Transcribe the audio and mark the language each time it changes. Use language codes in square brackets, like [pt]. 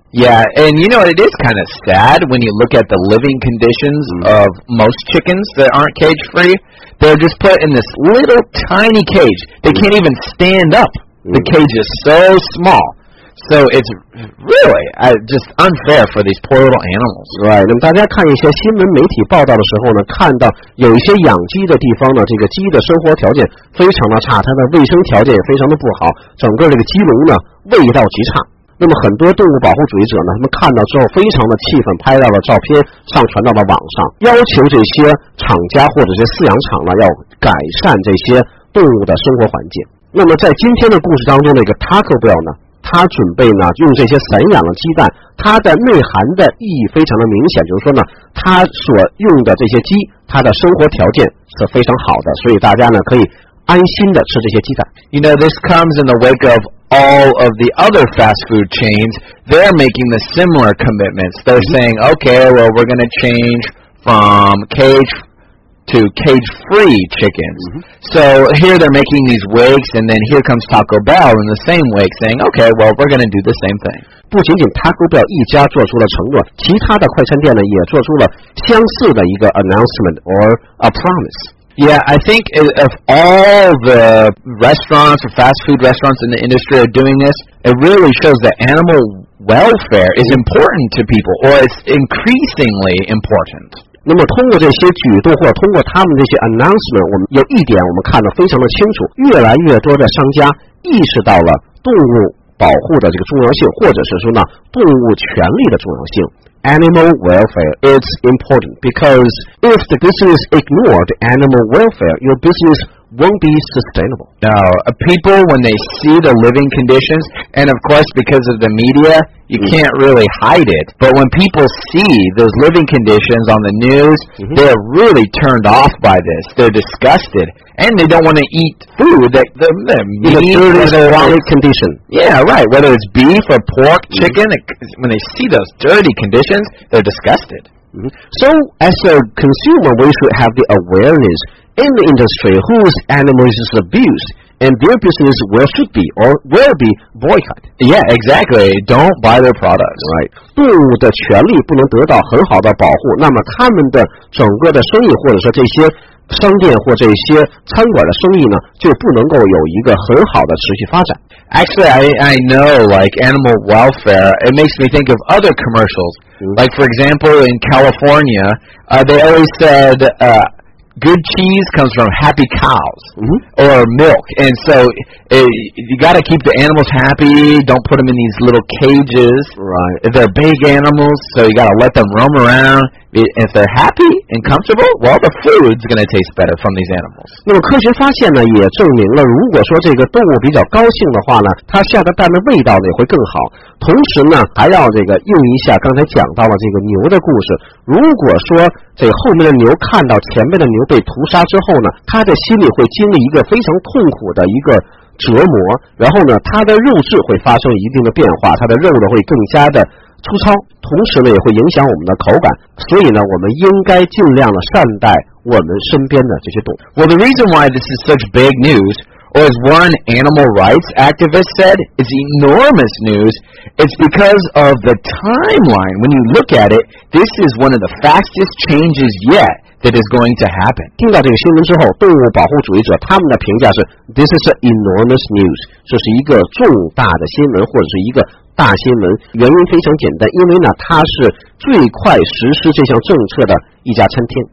[en] Yeah, and you know, it is kind of sad when you look at the living conditions of most chickens that aren't cage-free. They're just put in this little tiny cage. They can't even stand up. The cage is so small. So it's really just unfair for these poor little animals. Right. [zh] 那么大家看一些新闻媒体报道的时候呢，看到有一些养鸡的地方呢，这个鸡的生活条件非常的差，它的卫生条件也非常的不好，整个这个鸡笼呢味道极差。那么很多动物保护主义者呢，他们看到之后非常的气愤，拍到了照片上传到了网上，要求这些厂家或者是饲养厂呢要改善这些动物的生活环境。那么在今天的故事当中，那个 Taco Bell 呢，他准备呢用这些散养的鸡蛋，它的内涵的意义非常的明显，就是说呢，他所用的这些鸡，它的生活条件是非常好的，所以大家呢可以安心的吃这些鸡蛋。 [en] You know, this comes in the wake of all of the other fast food chains. They're making the similar commitments. They're saying, okay, well, we're going to change from cage to cage-free chickens. So here they're making these wakes, and then here comes Taco Bell in the same wake saying, okay, well, we're going to do the same thing. [zh] 不仅仅 Taco Bell 一家做出了承诺，其他的快餐店呢也做出了相似的一个 [en] announcement or a promise. Yeah, I think if all the restaurants or fast food restaurants in the industry are doing this, it really shows that animal welfare is important to people, or it's increasingly important. [zh] 那么通过这些举动或者通过他们这些 announcement, 我们有一点我们看得非常的清楚，越来越多的商家意识到了动物保护的这个重要性，或者是说呢动物权利的重要性。 [en] Animal welfare is important because if the business ignored animal welfare, your business won't be sustainable. Now, people, when they see the living conditions, and of course because of the media, you can't really hide it, but when people see those living conditions on the news, they're really turned off by this. They're disgusted, and they don't want to eat food that the meat is in rotten condition. Yeah, right. Whether it's beef or pork, chicken, when they see those dirty conditions, they're disgusted. So, as a consumer, we should have the awareness in the industry whose animals is abused, and their business will should be or will be boycotted. Yeah, exactly. Don't buy their products. Right. [zh] 动物的权利不能得到很好的保护，那么他们的整个的生意或者说这些商店或这些餐馆的生意呢，就不能够有一个很好的持续发展。 [en] Actually, I know, like animal welfare, it makes me think of other commercials. Like, for example, in California, they always said, good cheese comes from happy cows or milk. And so you got to keep the animals happy. Don't put them in these little cages. Right. If they're big animals, so you got to let them roam around. If they're happy and comfortable, well, the food's going to taste better from these animals. [zh] 那么科学发现呢也证明了，如果说这个动物比较高兴的话呢，它下的蛋的味道呢也会更好。同时呢还要这个用一下刚才讲到了这个牛的故事。如果说这后面的牛看到前面的牛被屠杀之后呢，它的心里会经历一个非常痛苦的一个折磨，然后呢它的肉质会发生一定的变化，它的肉呢会更加的粗糙，同时呢也会影响我们的口感。所以呢我们应该尽量的善待我们身边的这些动物。 [en] Well, the reason why this is such big news, or as one animal rights activist said, is enormous news, it's because of the timeline. When you look at it, this is one of the fastest changes yet that is going to happen. [zh] 听到这个新闻之后，动物保护主义者他们的评价是 [en] this is enormous news, [zh] 这是一个重大的新闻或者是一个大新闻，原因非常简单，因为呢，它是最快实施这项政策的一家餐厅。